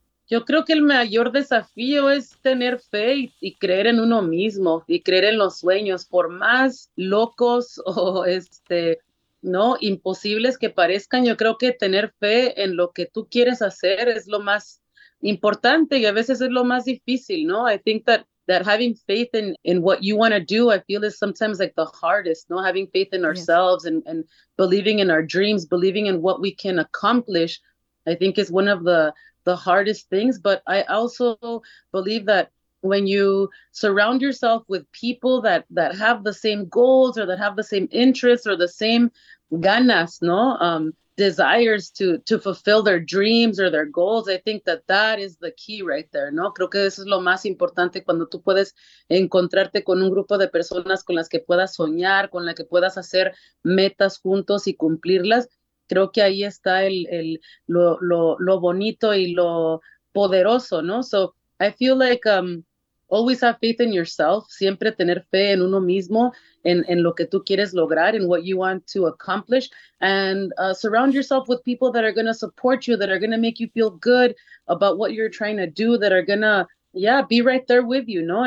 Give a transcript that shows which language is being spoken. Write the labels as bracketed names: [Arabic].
[Spanish] Yo creo que el mayor desafío es tener fe y creer en uno mismo y creer en los sueños, por más locos o no imposibles que parezcan, yo creo que tener fe en lo que tú quieres hacer es lo más importante y a veces es lo más difícil, ¿no? [English] I think that having faith in what you want to do, I feel is sometimes like the hardest, ¿no? Having faith in ourselves and believing in our dreams, believing in what we can accomplish, I think is one of the hardest things. But I also believe that when you surround yourself with people that have the same goals or that have the same interests or the same ganas, ¿no? Desires to fulfill their dreams or their goals, I think that is the key right there, ¿no? [Spanish] Creo que eso es lo más importante cuando tú puedes encontrarte con un grupo de personas con las que puedas soñar, con la que puedas hacer metas juntos y cumplirlas. Creo que ahí está lo bonito y lo poderoso, ¿no? [English] So I feel like always have faith in yourself, [Spanish] siempre tener fe en uno mismo, en lo que tú quieres lograr, [English] in what you want to accomplish, and surround yourself with people that are going to support you, that are going to make you feel good about what you're trying to do, that are going to, be right there with you, ¿no?